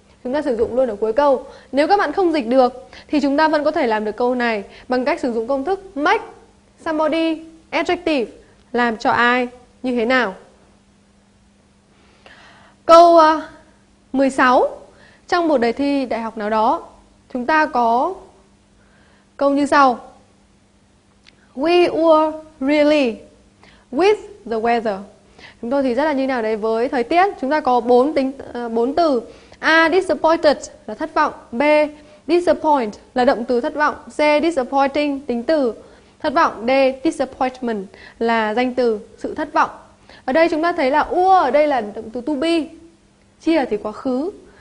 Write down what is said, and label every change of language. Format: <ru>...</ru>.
<vi>Chúng ta sử dụng luôn ở cuối câu. Nếu các bạn không dịch được thì chúng ta vẫn có thể làm được câu này bằng cách sử dụng công thức make somebody adjective, làm cho ai như thế nào. Câu 16, trong một đề thi đại học nào đó chúng ta có câu như sau.</vi> <en>We were really with the weather.</en> <vi>Chúng tôi thì rất là như nào đấy với thời tiết. Chúng ta có bốn từ. A, disappointed là thất vọng. B, disappoint là động từ thất vọng. C, disappointing tính từ thất vọng. D, disappointment là danh từ sự thất vọng. Ở đây chúng ta thấy là were ở đây là động từ to be, chia thì quá khứ.</vi>